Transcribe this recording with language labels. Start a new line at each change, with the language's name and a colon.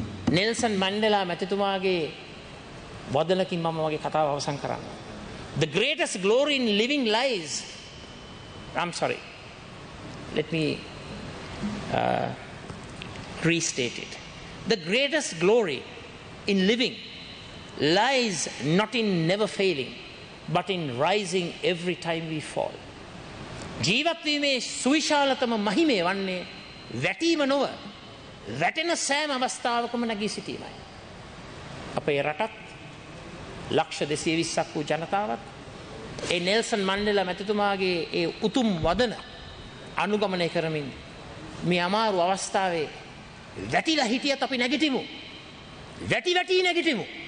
English: Nelson Mandela
Sinhala: මැතිතුමාගේ වදනකින් මම මගේ කතාව අවසන් කරන්නම්
English: The greatest glory in living lies Let me restate it. The greatest glory in living lies not in never failing but in rising every time we fall.
Sinhala: ජීවත්වීමේ සුවිශාලතම මහිමය වන්නේ වැටීම නොව වැටෙන සෑම අවස්ථාවකම නැගී සිටීමයි. අපේ රටත් ලක්ෂ 220ක් වූ ජනතාවත් ඒ නෙල්සන් මැන්ඩෙලා මැතිතුමාගේ ඒ උතුම් වදන අනුගමනය කරමින් මේ අමාරු අවස්ථාවේ වැටිලා හිටියත් අපි නැගිටිමු. වැටි වැටි නැගිටිමු.